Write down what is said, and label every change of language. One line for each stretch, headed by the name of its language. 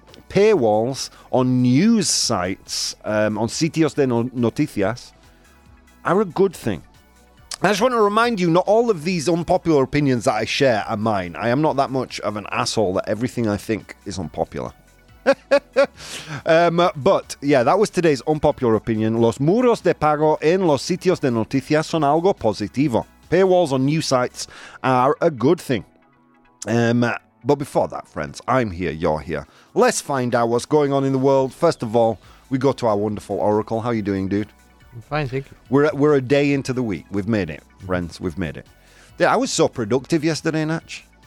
English: Paywalls on news sites,
Spanish: on sitios de noticias,
English: are a good thing. I just want to remind you, not all of these unpopular opinions that I share are mine. I am not that much of an asshole that everything I think is unpopular. but yeah, that was today's unpopular opinion.
Spanish: Los muros de pago en los sitios de noticias son algo positivo.
English: Paywalls on news sites are a good thing. But before that, friends, I'm here, you're here. Let's find out what's going on in the world. First of all, we go to our wonderful Oracle. How are you doing, dude? I'm fine, thank you. We're a day into the week. We've made it, friends. We've made it. Yeah, I was so productive yesterday, Natch.